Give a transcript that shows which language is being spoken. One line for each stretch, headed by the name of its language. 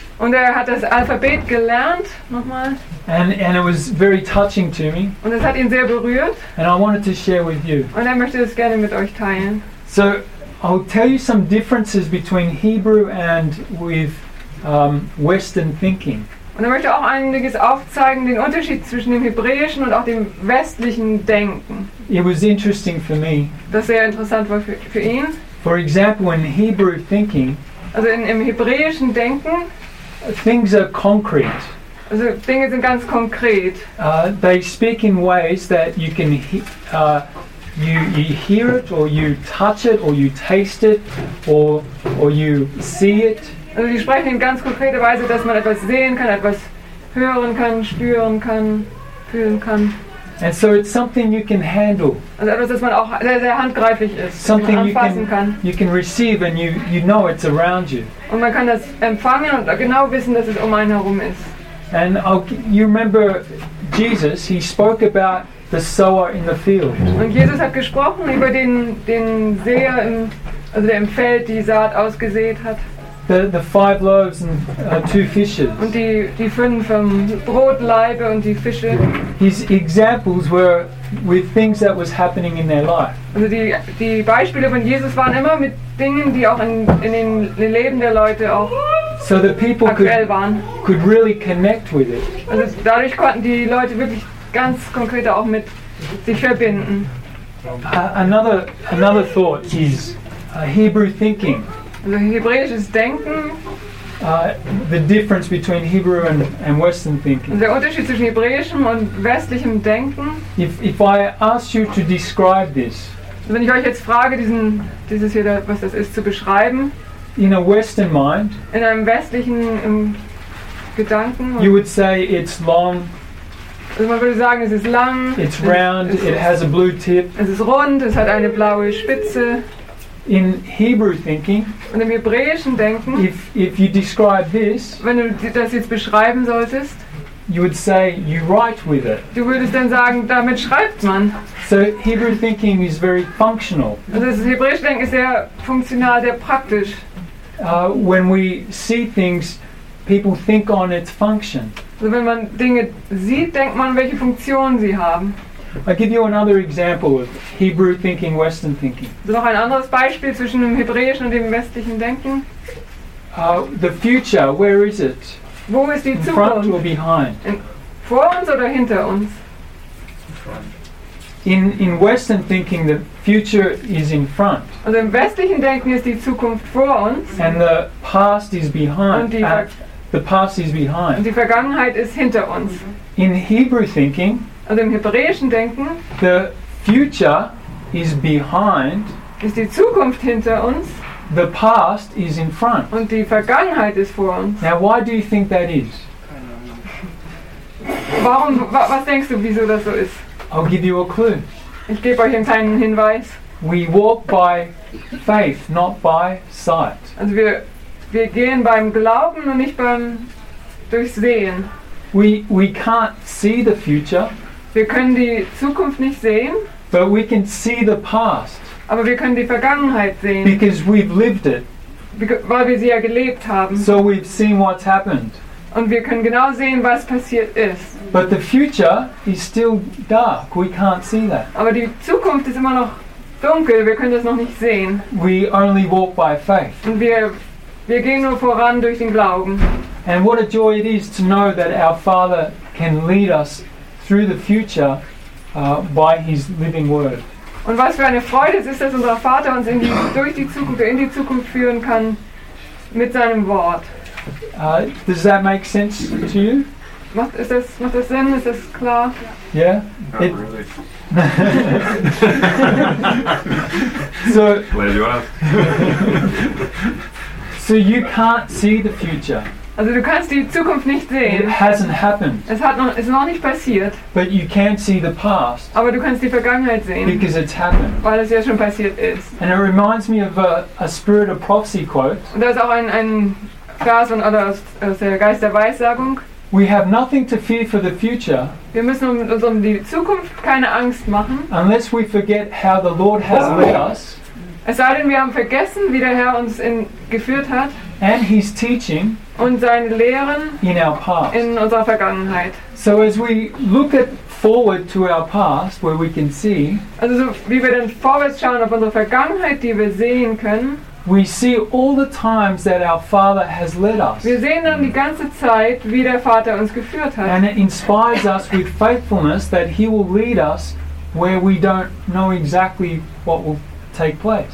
German: Und er hat das Alphabet gelernt nochmal.
English: And it was very touching to me.
German: Und es hat ihn sehr berührt.
English: And I wanted to share with you.
German: Und er möchte es gerne mit euch teilen.
English: So I'll tell you some differences between Hebrew and with Western thinking.
German: Und er möchte auch einiges aufzeigen, den Unterschied zwischen dem Hebräischen und auch dem westlichen Denken.
English: It was interesting for me.
German: Das sehr interessant war für ihn.
English: For example, in Hebrew thinking,
German: also im Hebräischen Denken,
English: things are concrete.
German: Also Dinge sind ganz konkret.
English: They speak in ways that you can you hear it or you touch it or you taste it or you see it.
German: Also die sprechen in ganz konkreter Weise, dass man etwas sehen kann, etwas hören kann, spüren kann, fühlen kann.
English: And so it's something you can handle.
German: Also etwas, das man auch sehr, sehr handgreiflich ist,
English: something
German: man anfassen kann.
English: You can receive and you know it's around you.
German: Und man kann das empfangen und genau wissen, dass es um einen herum ist.
English: And you remember Jesus, he spoke about the sower in the field.
German: Und Jesus hat gesprochen über den Seher, der im Feld die Saat ausgesät hat.
English: The five loaves and two fishes.
German: Und die fünf vom Brot, Leibe und die Fische.
English: His examples were with things that was happening in their life.
German: Also die Beispiele von Jesus waren immer mit Dingen, die auch in den Leben der Leute auch
English: so the people
German: aktuell waren.
English: Could really connect with it.
German: Also dadurch konnten die Leute wirklich ganz konkret auch mit sich verbinden.
English: Another thought is Hebrew thinking.
German: Also hebräisches Denken.
English: The difference between Hebrew and Western thinking.
German: Der Unterschied zwischen hebräischem und westlichem Denken.
English: If I ask you to describe this.
German: Wenn ich euch jetzt frage, dieses hier, was das ist, zu beschreiben.
English: In a Western mind.
German: In einem westlichen Gedanken.
English: You would say it's long.
German: Also man würde sagen, es ist lang.
English: It's round. It has a blue tip.
German: Es ist rund. Es hat eine blaue Spitze.
English: In Hebrew thinking.
German: Und im hebräischen Denken.
English: If you describe this.
German: Wenn du das jetzt beschreiben solltest.
English: You would say you write with it.
German: Du würdest dann sagen, damit schreibt man.
English: So Hebrew thinking is very functional.
German: Also das hebräische Denken ist sehr funktional, sehr praktisch.
English: When we see things, people think on its function.
German: Also wenn man Dinge sieht, denkt man, welche Funktion sie haben.
English: I'll give you another example of Hebrew thinking, Western thinking.
German: So noch ein anderes Beispiel zwischen dem hebräischen und dem westlichen Denken.
English: The future, where is it?
German: Wo ist die Zukunft?
English: In front or behind?
German: Vor uns oder hinter uns?
English: In Western thinking, the future is in front.
German: Also im westlichen Denken ist die Zukunft vor uns.
English: And the past is behind. The past is behind.
German: Und die Vergangenheit ist hinter uns.
English: In Hebrew thinking,
German: also im hebräischen Denken,
English: the future is behind.
German: Ist die Zukunft hinter uns?
English: The past is in front.
German: Und die Vergangenheit ist vor uns.
English: Now, why do you think that is?
German: Warum? Was denkst du, wieso das so ist?
English: I'll give you a clue.
German: Ich gebe euch einen kleinen Hinweis.
English: We walk by faith, not by sight.
German: Also wir gehen beim Glauben und nicht beim Durchsehen.
English: We can't see the future.
German: Wir können die Zukunft nicht sehen.
English: But we can see the past.
German: Aber wir können die Vergangenheit sehen.
English: Because we've lived it.
German: Weil wir sie ja gelebt haben.
English: So we've seen what's happened.
German: Und wir können genau sehen, was passiert ist.
English: But the future is still dark. We can't see that.
German: Aber die Zukunft ist immer noch dunkel. Wir können das noch nicht sehen.
English: We only walk by faith.
German: Und wir gehen nur voran durch den Glauben.
English: And what a joy it is to know that our Father can lead us through the future by His living Word.
German: Und was für eine Freude es ist, dass unser Vater uns in die Zukunft führen kann mit seinem Wort.
English: Does that make sense to you?
German: Macht das Sinn? Ist das klar?
English: Yeah. Not really. So. Glad you asked. So you can't see the future.
German: Also du kannst die Zukunft nicht sehen.
English: It hasn't happened.
German: Es ist noch nicht passiert.
English: But you can see the past.
German: Aber du kannst die Vergangenheit sehen.
English: Because it's happened.
German: Weil es ja schon passiert ist.
English: And it reminds me of a spirit of prophecy quote.
German: Und da ist auch ein Vers und oder aus der Geist der Weissagung.
English: We have nothing to fear for the future.
German: Wir müssen uns um die Zukunft keine Angst machen.
English: Unless we forget how the Lord has led us.
German: Es sei denn, wir haben vergessen, wie der Herr uns geführt hat.
English: And his teaching.
German: Und seine Lehren
English: in our past.
German: In unserer Vergangenheit.
English: So as we look at forward to our past, where we can see.
German: Also so, wie wir dann vorwärts schauen auf unsere Vergangenheit, die wir sehen können.
English: We see all the times that our Father has led us.
German: Wir sehen dann die ganze Zeit, wie der Vater uns geführt hat.
English: And it inspires us with faithfulness that He will lead us where we don't know exactly what will take place.